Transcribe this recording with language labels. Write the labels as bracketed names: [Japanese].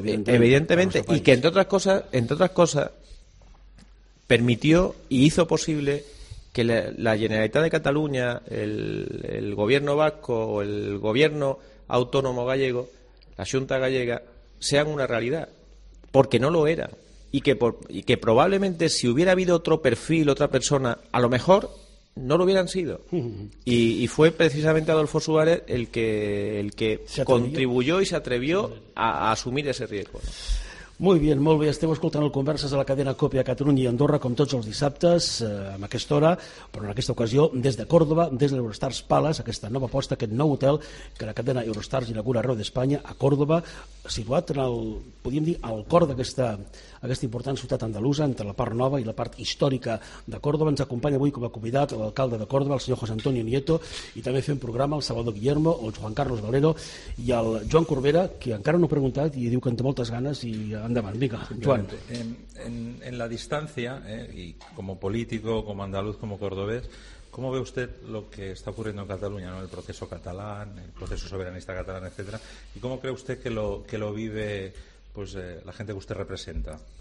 [Spanish] evidentemente y que entre otras cosas permitió y hizo posible que la Generalitat de Cataluña, el gobierno vasco o el gobierno autónomo gallego, la Xunta gallega, sean una realidad, porque no lo eran. Y que probablemente si hubiera habido otro perfil, otra persona, a lo mejor no lo hubieran sido. Y fue precisamente Adolfo Suárez el que contribuyó y se atrevió a asumir ese riesgo. Muy bien, [Catalan] molt bé. Estem escoltant el Converses a la cadena COPE a Catalunya i Andorra, com tots els dissabtes, amb aquesta hora, però en aquesta ocasió, des de Còrdoba, des de l'Eurostars Palace, aquesta nova aposta, aquest nou hotel que la cadena Eurostars inaugura arreu d'Espanya, a Còrdoba, situat en el, podríem dir, al cor d'aquesta important ciutat andalusa, entre la part nova i la part històrica de Còrdoba. Ens acompanya avui com a convidat l'alcalde de Còrdoba, el senyor José Antonio Nieto, i també fem programa el Salvador Guillermo, el Juan Carlos Valero i el Joan Corbera, que encara no ha preguntat i diu que en té moltes ganes i endavant. Vinga, Joan. En la distància, i com a polític, [Spanish] com a andaluz, com a cordobès, ¿cómo ve usted lo que está ocurriendo en Cataluña, ¿no? El proceso catalán, el proceso soberanista catalán, etcétera? ¿Y cómo cree usted que lo vive la gente que usted representa?